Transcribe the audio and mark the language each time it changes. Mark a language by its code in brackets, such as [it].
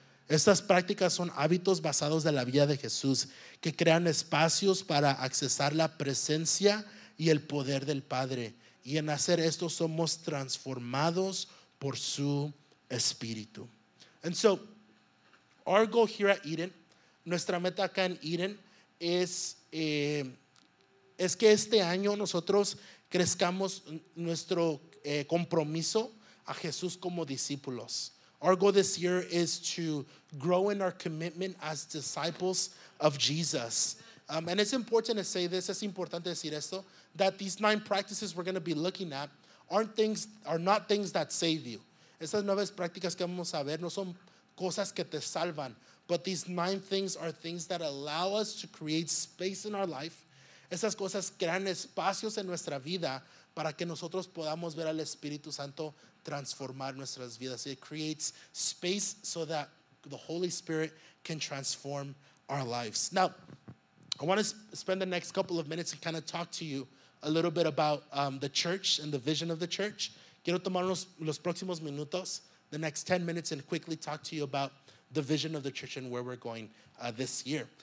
[es] Estas prácticas son hábitos basados en la vida de Jesús que crean espacios para accesar la presencia y el poder del Padre. Y en hacer esto somos transformados por su Espíritu. [en] And so, our goal here at Eden, [es] nuestra meta acá en Eden, es que este año nosotros crezcamos nuestro compromiso a Jesús como discípulos. [en] Our goal this year is to grow in our commitment as disciples of Jesus. And it's important to say this, [es] es importante decir esto, [en] that these 9 practices we're going to be looking at are not things that save you. [es] Estas nueve prácticas que vamos a ver no son cosas que te salvan. [en] But these nine things are things that allow us to create space in our life. [es] Esas cosas crean espacios en nuestra vida para que nosotros podamos ver al Espíritu Santo transformar nuestras vidas. [en] It creates space so that the Holy Spirit can transform our lives. Now, I want to spend the next couple of minutes to kind of talk to you a little bit about the church and the vision of the church. [es] Quiero tomar los próximos minutos, [en] the next 10 minutes, and quickly talk to you about the vision of the church and where we're going this year.